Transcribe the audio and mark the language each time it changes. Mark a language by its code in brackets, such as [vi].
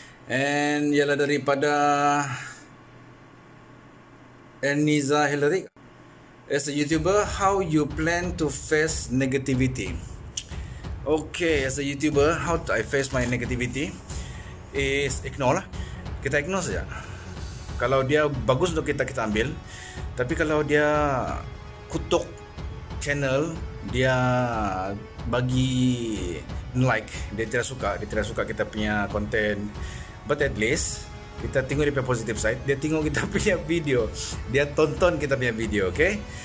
[ms] And ialah daripada Eniza Hillary. [en] As a YouTuber, how you plan to face negativity? Okay, as a YouTuber, how do I face my negativity? [ms] Is ignore lah. Kita ignore saja. Kalau dia bagus untuk kita, kita ambil. Tapi kalau dia kutuk channel, dia bagi like, dia tidak suka, dia tidak suka kita punya konten. [en] But at least [ms] kita tengok dia punya [en] positive side. [ms] Dia tengok kita punya video, dia tonton kita punya video, okay?